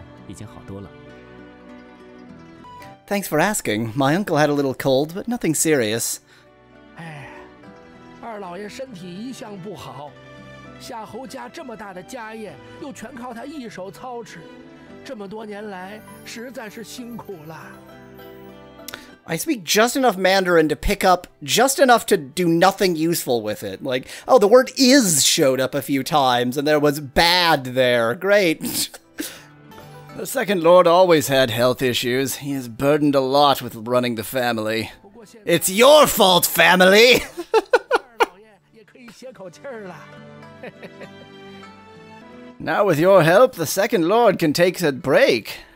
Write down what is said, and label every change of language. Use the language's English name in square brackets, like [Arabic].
[Chinese] 多谢二位挂心。二叔前些日子染了些风寒，不过并不严重，服药后已经好多了。 [English] Thanks for asking. My uncle had a little cold, but nothing serious. [Chinese] 哎，二老爷身体一向不好。夏侯家这么大的家业，又全靠他一手操持，这么多年来，实在是辛苦了。 [English] I speak just enough Mandarin to pick up just enough to do nothing useful with it. Like, oh, the word is showed up a few times, and there was bad there. Great. The Second Lord always had health issues. He is burdened a lot with running the family. It's your fault, family! [Chinese] 二老爷也可以歇口气儿了。 [English] Now with your help, the Second Lord can take a break.